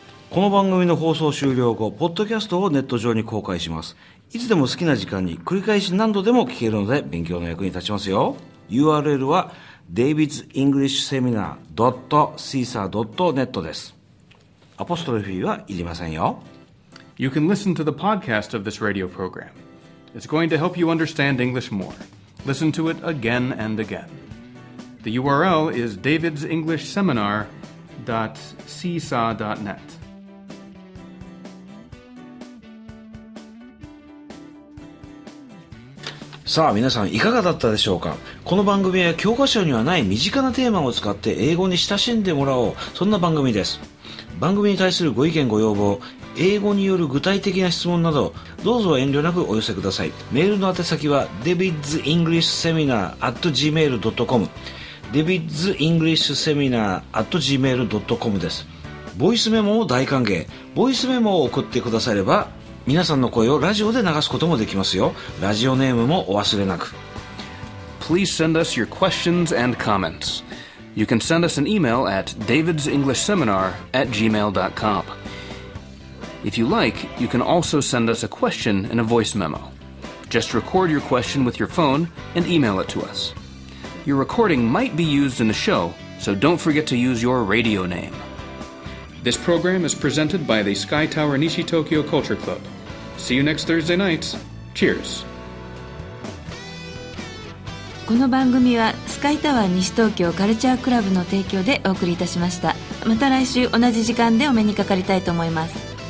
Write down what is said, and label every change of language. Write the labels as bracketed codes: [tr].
[ja] この番組の放送終了後、ポッドキャストをネット上に公開します。いつでも好きな時間に繰り返し何度でも聞けるので、勉強の役に立ちますよ。 URL は davidsenglishseminar.seesaw.net です。アポストロフィーはいりませんよ。 [en] You can listen to the podcast of this radio program. It's going to help you understand English more. Listen to it again and again. The URL is davidsenglishseminar.seesaw.net。 [ja] さあ皆さん、いかがだったでしょうか。この番組は教科書にはない身近なテーマを使って英語に親しんでもらおう、そんな番組です。番組に対するご意見ご要望、英語による具体的な質問など、どうぞ遠慮なくお寄せください。メールの宛先は davidsenglishseminar@gmail.com、 davidsenglishseminar@gmail.com です。ボイスメモも大歓迎。ボイスメモを送ってくだされば、皆さんの声をラジオで流すこともできますよ。ラジオネームもお忘れなく。 [en] Please send us your questions and comments. You can send us an email at davidsenglishseminar@gmail.com. If you like, you can also send us a question in a voice memo. Just record your question with your phone and email it to us. Your recording might be used in the show, so don't forget to use your radio name. This program is presented by the Sky Tower Nishi Tokyo Culture Club. See you next Thursday night. Cheers. [ja] この番組はスカイタワー西東京カルチャークラブの提供でお送りいたしました。また来週同じ時間でお目にかかりたいと思います。